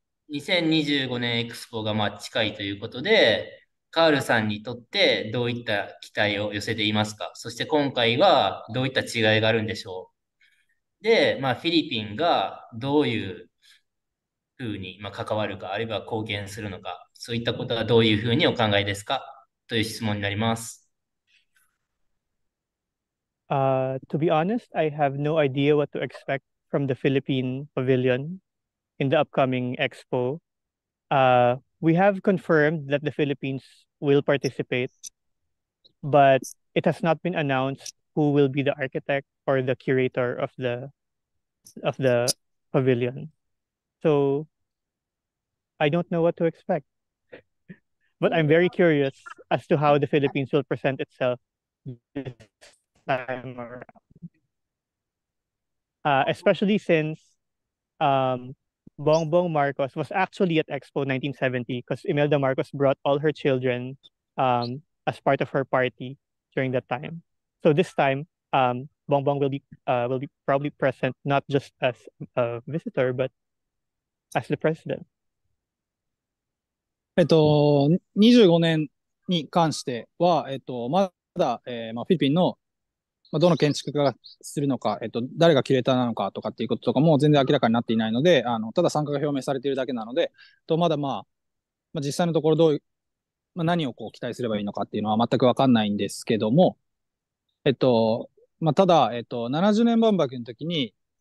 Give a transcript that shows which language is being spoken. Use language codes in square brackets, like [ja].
[ja] 2025年 Expo が近いということで、カールさんにとってどういった期待を寄せていますか？そして今回はどういった違いがあるんでしょう？で、まあ、フィリピンがどういうふうに関わるか、あるいは貢献するのか、そういったことがどういうふうにお考えですか？という質問になります。 [en] To be honest, I have no idea what to expect from the Philippine Pavilion in the upcoming Expo. We have confirmed that the Philippines will participate, but it has not been announced who will be the architect or the curator of the pavilion. So I don't know what to expect, but I'm very curious as to how the Philippines will present itself this time around, especially since Bongbong Marcos was actually at Expo 1970 because Imelda Marcos brought all her children as part of her party during that time. So this time, Bongbong will be probably present not just as a visitor but as the president. [ja] 25年に関しては、まだ、フィリピンの、どの建築家がするのか、誰がキュレーターなのかとかっていうこととかも全然明らかになっていないので、ただ参加が表明されているだけなので、まだ、実際のところどういう、何をこう期待すればいいのかっていうのは全くわかんないんですけども、ただ、70年万博の時に、